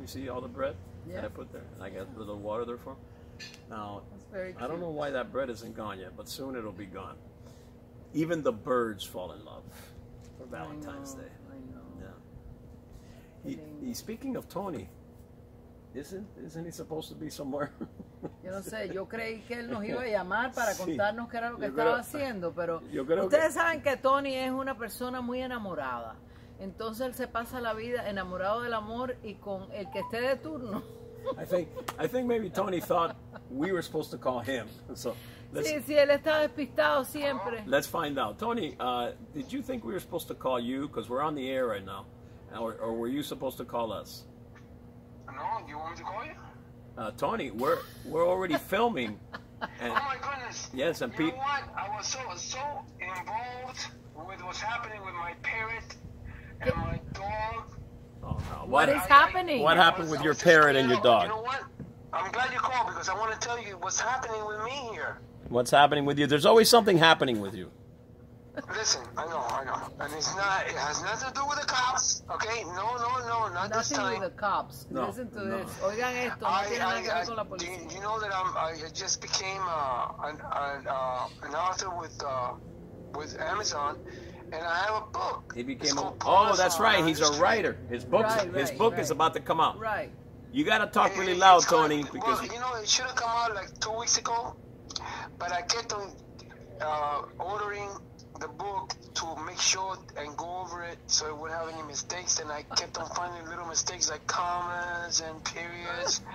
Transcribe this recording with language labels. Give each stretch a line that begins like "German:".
English: You see all the bread that I put there, and I got a little water there for them. Now I don't know why that bread isn't gone yet, but soon it'll be gone. Even the birds fall in love for Valentine's Day. I know. He speaking of Tony, isn't he supposed to be somewhere?
Spanish: Yo no sé, yo creí que él nos iba a llamar para contarnos qué era lo que estaba haciendo, pero ustedes saben que Tony es una persona muy enamorada. Entonces él se pasa la vida enamorado del amor y con el que esté de turno.
English: I think maybe Tony thought we were supposed to call him. So
Spanish: sí, él está despistado siempre.
English: Let's find out. Tony, did you think we were supposed to call you? Because we're on the air right now. Or were you supposed to call us? No, you want me to call you? Tony, we're already filming. And, oh my goodness! Yes, and you know what? I was so involved with what's happening with my parrot and my dog. Oh no! What is happening? What happened with your parrot and your dog? You know what? I'm glad you called because I want to tell you what's happening with me here. What's happening with you? There's always something happening with you. Listen, I know. And it's not, it has nothing to do with the cops, okay? No, not nothing this time. With the cops. No, listen to no. this.
Spanish: Oigan esto, no tiene nada que ver con la policía.
English: You know that I just became an author with Amazon, and I have a book. He became it's called a, oh, that's right. He's a writer. His book is about to come out. Right. You got to talk really loud, kinda, Tony, because well, you know, it should have come out like 2 weeks ago, but I kept on ordering the book to make sure and go over it so it wouldn't have any mistakes, and I kept on finding little mistakes like commas and periods.